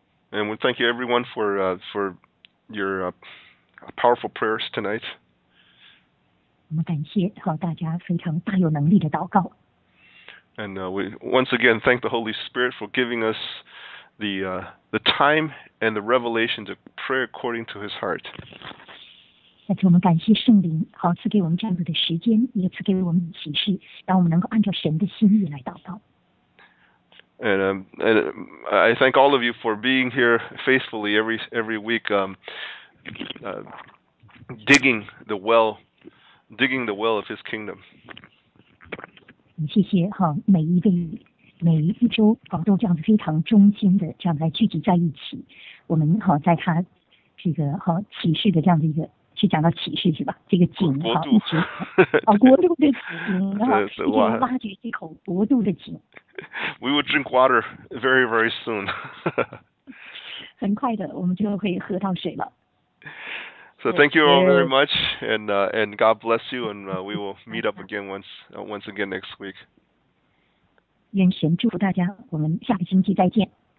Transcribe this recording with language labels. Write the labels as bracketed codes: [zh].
[en] And we thank you everyone for your powerful prayers tonight. [zh] 我们感谢和大家非常大有能力的祷告。 [en] And we once again thank the Holy Spirit for giving us the time and the revelation to pray according to His heart. [zh] 再次我们感谢圣灵，好赐给我们这样子的时间，也赐给我们启示，让我们能够按照神的心意来祷告。 [en] And I thank all of you for being here faithfully every week, digging the well of His kingdom. [zh] 谢谢哈，每一位每一周都这样子非常忠心的这样来聚集在一起，我们好在他这个好启示的这样的一个去讲到启示是吧，这个井哈一直国度的井哈，一直要挖掘这口国度的井。 [en] We will drink water very very soon. [zh] 很快的我们就会喝到水了。 [en] So thank you all very much, and God bless you, and we will meet up again once again next week. [zh] 愿神祝福大家，我们下个星期再见。